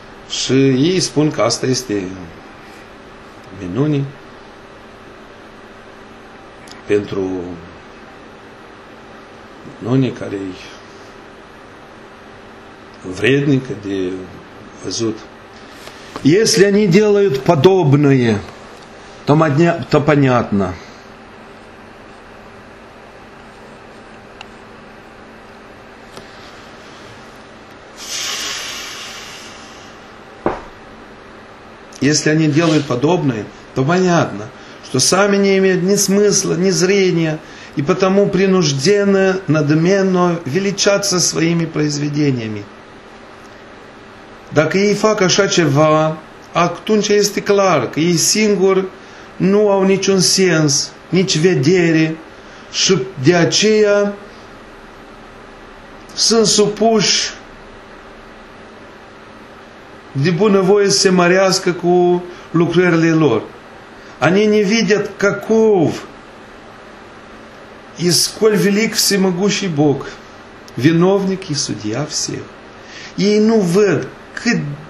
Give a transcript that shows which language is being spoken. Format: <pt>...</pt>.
<ro>Și ei spun că asta este minune pentru minune care e vrednică de văzut.</ro> <ru>Если они делают подобное, то понятно. Если они делают подобное, то понятно, что сами не имеют ни смысла, ни зрения, и потому принуждены надменно величаться своими произведениями.</ru> <ro>Dacă ei fac așa ceva, atunci este clar că ei singuri nu au niciun sens, nici vedere, și de aceea sunt supuși de bunăvoie să se mărească cu lucrările lor.</ro> <ru>Они не видят, каков и сколь велик всемогущий Бог, виновник и судья всех.</ru> <ro>Ей ну вед, кât</ro>